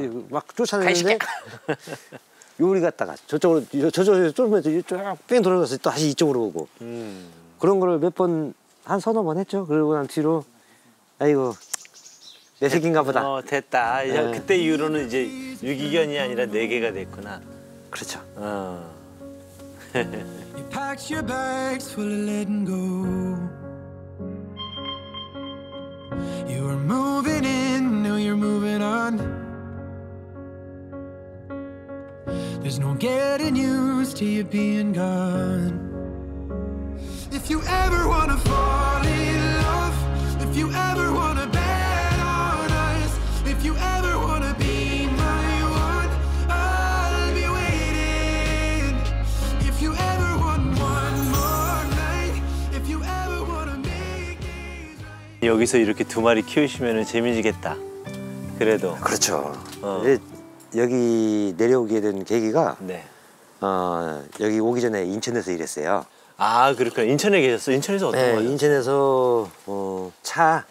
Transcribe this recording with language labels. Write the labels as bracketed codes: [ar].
[ko] 막 쫓아내는데 요리 갔다가 저쪽으로 쫄면서 쫙 뺑 돌아가서 또 다시 이쪽으로 오고. 그런 거를 몇 번 한 서너 번 했죠. 그러고 난 뒤로 아이고 내 새끼인가 보다. 됐다. 이제 그때 이후로는 이제 유기견이 아니라 네 개가 됐구나. 그렇죠. [en] You packed your bags full of letting go. You were moving in, now you're moving on. There's no getting used to you being gone. If you ever wanna fall in love, if you ever wanna bet on us, if you ever wanna be my one, I'll be waiting. If you ever want one more night, if you ever wanna make it right. [ko] 여기서 이렇게 두 마리 키우시면은 재미지겠다. 그래도. 그렇죠. 여기 내려오게 된 계기가 네. 여기 오기 전에 인천에서 일했어요. 아, 그렇구나. 인천에 계셨어? 인천에서 어떤 거죠? 네, 인천에서 차